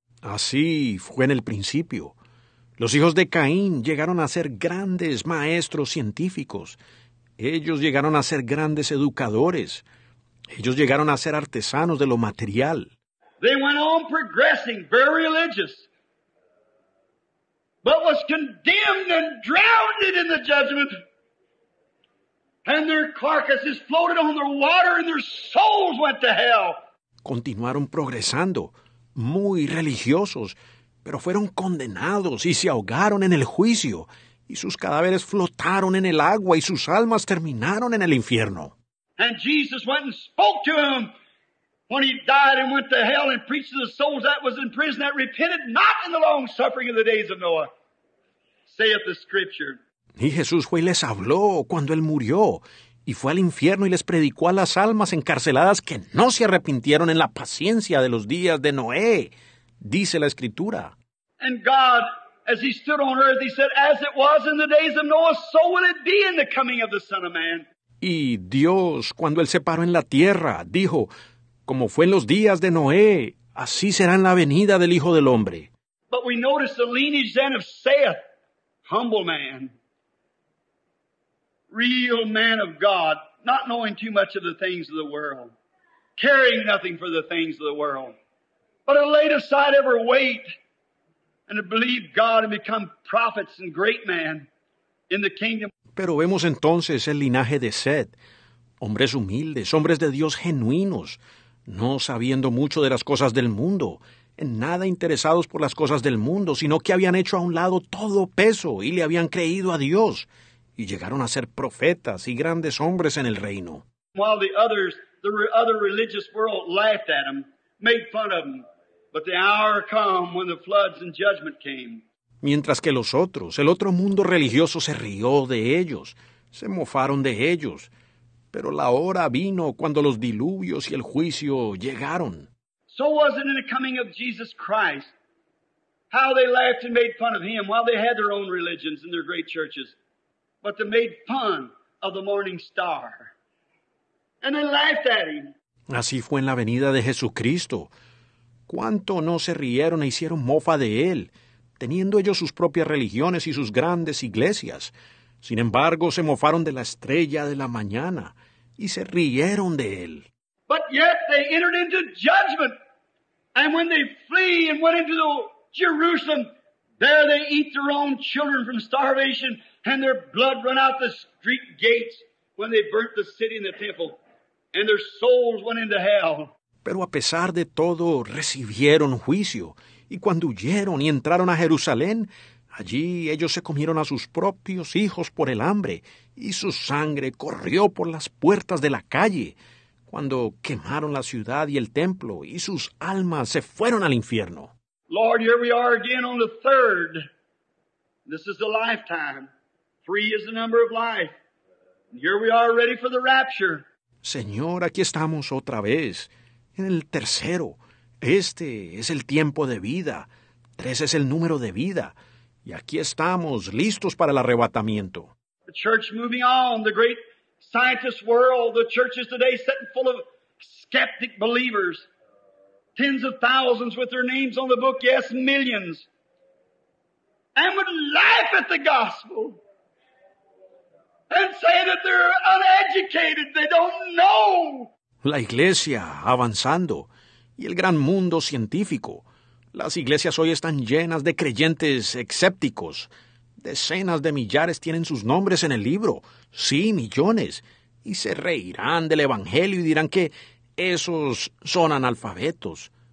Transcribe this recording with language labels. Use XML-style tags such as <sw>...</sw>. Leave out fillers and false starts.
<es>Así fue en el principio. Los hijos de Caín llegaron a ser grandes maestros científicos. Ellos llegaron a ser grandes educadores. Ellos llegaron a ser artesanos de lo material.</es> <en>They went on progressing, very religious, but was condemned and drowned in the judgment. And their carcasses floated on the water and their souls went to hell.</en> <es>Continuaron progresando, muy religiosos, pero fueron condenados y se ahogaron en el juicio, y sus cadáveres flotaron en el agua y sus almas terminaron en el infierno.</es> <en>And Jesus went and spoke to him when he died and went to hell and preached to the souls that was in prison that repented not in the long suffering of the days of Noah, saith the scripture.</en> <es>Y Jesús fue y les habló cuando él murió y fue al infierno y les predicó a las almas encarceladas que no se arrepintieron en la paciencia de los días de Noé, dice la Escritura.</es> <en>And God, as he stood on earth, he said, as it was in the days of Noah, so will it be in the coming of the Son of Man.</en> <es>Y Dios, cuando él se paró en la tierra, dijo, como fue en los días de Noé, así será en la venida del Hijo del Hombre.</es> <en>But we notice the lineage then of Seth, humble man, real man of God, not knowing too much of the things of the world, caring nothing for the things of the world. But it laid aside every weight and to believe God and become prophets and great man in the kingdom.</en> <es>Pero vemos entonces el linaje de Seth, hombres humildes, hombres de Dios genuinos, no sabiendo mucho de las cosas del mundo, en nada interesados por las cosas del mundo, sino que habían hecho a un lado todo peso y le habían creído a Dios y llegaron a ser profetas y grandes hombres en el reino.</es> <en>While the others, the other religious world laughed at him, made fun of him, but the hour came when the floods and judgment came.</en> <es>Mientras que los otros, el otro mundo religioso se rió de ellos, se mofaron de ellos, Pero la hora vino cuando los diluvios y el juicio llegaron.</es> <en>So was it in the coming of Jesus Christ, how they laughed and made fun of him while they had their own religions and their great churches, but they made fun of the morning star. And they laughed at him.</en> <es>Así fue en la venida de Jesucristo. ¿Cuánto no se rieron e hicieron mofa de él, teniendo ellos sus propias religiones y sus grandes iglesias? Sin embargo, se mofaron de la estrella de la mañana y se rieron de él.</es> <en>But yet they entered into judgment. And when they flee and went into the Jerusalem, there they eat their own children from starvation, and their blood run out the street gates when they burnt the city and the temple, and their souls went into hell.</en> <es>Pero a pesar de todo, recibieron juicio, y cuando huyeron y entraron a Jerusalén, allí ellos se comieron a sus propios hijos por el hambre, y su sangre corrió por las puertas de la calle, cuando quemaron la ciudad y el templo, y sus almas se fueron al infierno.</es> <en>Lord, here we are again on the third. This is the lifetime. Three is the number of life. Here we are ready for the rapture.</en> <es>Señor, aquí estamos otra vez. En el tercero, este es el tiempo de vida. Tres es el número de vida. Y aquí estamos, listos para el arrebatamiento.</es> <en>The church moving on, the great scientist world, the church is today sitting full of skeptic believers. Tens of thousands with their names on the book, yes, millions. And would laugh at the gospel. And say that they're uneducated, they don't know.</en> <es>La iglesia avanzando, y el gran mundo científico. Las iglesias hoy están llenas de creyentes escépticos. Decenas de millares tienen sus nombres en el libro. Sí, millones. Y se reirán del evangelio y dirán que esos son analfabetos.</es>